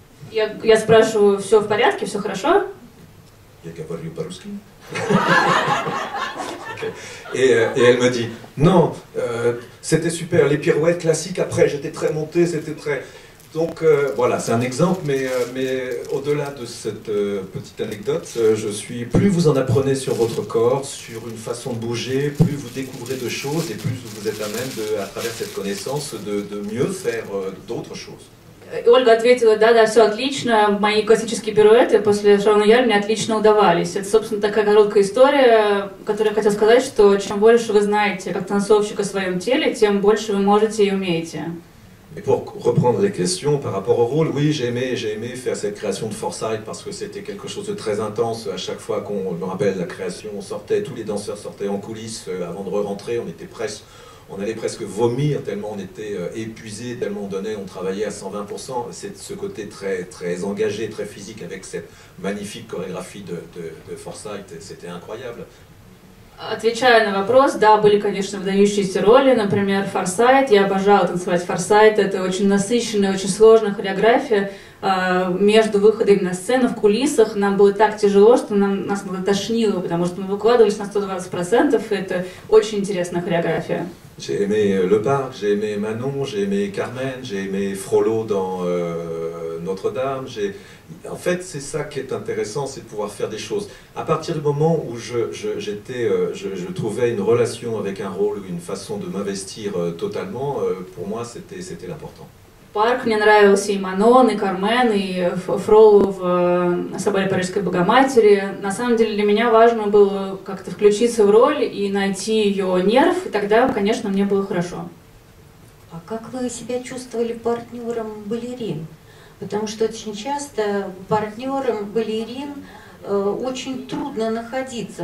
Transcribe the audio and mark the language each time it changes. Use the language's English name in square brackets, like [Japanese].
[Russian] Я спрашиваю, все в порядке, все хорошо? Я говорю по-русски. [French] Et elle me dit, non, c'était super, les pirouettes classiques, après j'étais très montée, c'était très... Donc voilà, c'est un exemple, mais au-delà de cette petite anecdote, je suis plus vous en apprenez sur votre corps, sur une façon de bouger, plus vous découvrez de choses et plus vous êtes à même, de, à travers cette connaissance, de mieux faire d'autres choses. [Russian] Ольга ответила, да, да, все отлично, мои классические пируэты после Шарона Яль мне отлично удавались. Это, собственно, такая короткая история, которую я хотела сказать, что чем больше вы знаете как танцовщик о своем теле, тем больше вы можете и умеете. [French] Et pour reprendre les questions par rapport au rôle, oui, j'ai aimé faire cette création de Forsyth parce que c'était quelque chose de très intense. À chaque fois qu'on me rappelle la création, on sortait, tous les danseurs sortaient en coulisses avant de re-rentrer. On allait presque vomir tellement on était épuisés, tellement on donnait, on travaillait à 120%. C'est ce côté très, très engagé, très physique avec cette magnifique chorégraphie de Forsyth, c'était incroyable. [Russian] Отвечая на вопрос, да, были, конечно, выдающиеся роли, например, Форсайт. Я обожала танцевать Форсайт. Это очень насыщенная, очень сложная хореография. Между выходами на сцену, в кулисах, нам было так тяжело, что нас было тошнило, потому что мы выкладывались на 120%, и это очень интересная хореография. [French] J'ai aimé Le Parc, j'ai aimé Manon, j'ai aimé Carmen, j'ai aimé Frollo dans Notre-Dame. En fait, c'est ça qui est intéressant, c'est de pouvoir faire des choses. À partir du moment où je trouvais une relation avec un rôle ou une façon de m'investir totalement, pour moi, c'était l'important. [Russian] Парк, мне нравилось и Манон, и Кармен, и Фроллу в Соборе Парижской Богоматери. На самом деле для меня важно было как-то включиться в роль и найти ее нерв, и тогда, конечно, мне было хорошо. А как вы себя чувствовали партнером балерин? Потому что очень часто партнером балерин очень трудно находиться.